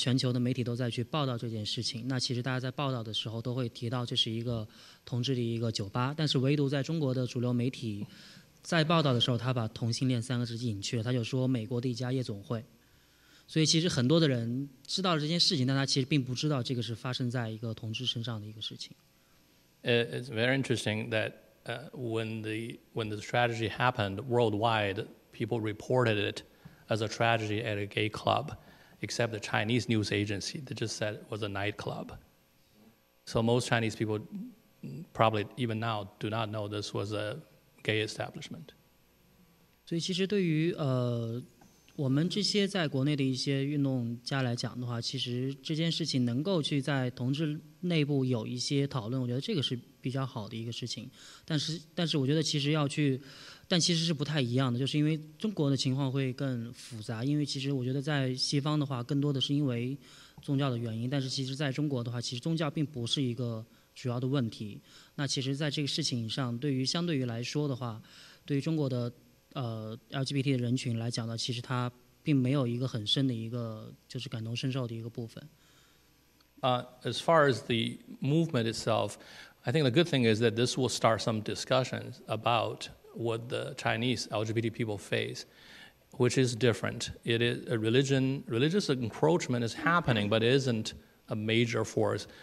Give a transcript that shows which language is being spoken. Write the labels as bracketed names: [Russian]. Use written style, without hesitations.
[Chinese] 我觉得其实对于中国的工作其实没有什么太大影响，因为其实有一个很好玩的一个事情，就是其实我们就是在这件事情发生以后，其实全球的媒体都在去报道这件事情。那其实大家在报道的时候都会提到这是一个同志的一个酒吧，但是唯独在中国的主流媒体在报道的时候，他把同性恋三个字隐去了，他就说美国的一家夜总会。所以其实很多的人知道了这件事情，但他其实并不知道这个是发生在一个同志身上的一个事情。 [English] It's very interesting that when the tragedy happened worldwide, people reported it as a tragedy at a gay club, except the Chinese news agency that just said it was a nightclub. So most Chinese people probably even now do not know this was a gay establishment. [Chinese] 所以其实对于我们这些在国内的一些运动家来讲的话，其实这件事情能够去在同志内部有一些讨论，我觉得这个是比较好的一个事情。但是我觉得其实要去但其实是不太一样的，就是因为中国的情况会更复杂，因为其实我觉得在西方的话更多的是因为宗教的原因，但是其实在中国的话其实宗教并不是一个主要的问题。那其实在这个事情上，对于相对于来说的话，对于中国的LGBT 的人群来讲呢，其实它并没有一个很深的一个就是感同身受的一个部分。 [English] As far as the movement itself, I think the good thing is that this will start some discussions aboutwhat the Chinese LGBT people face, which is different. It is a religious encroachment is happening, but it isn't a major force.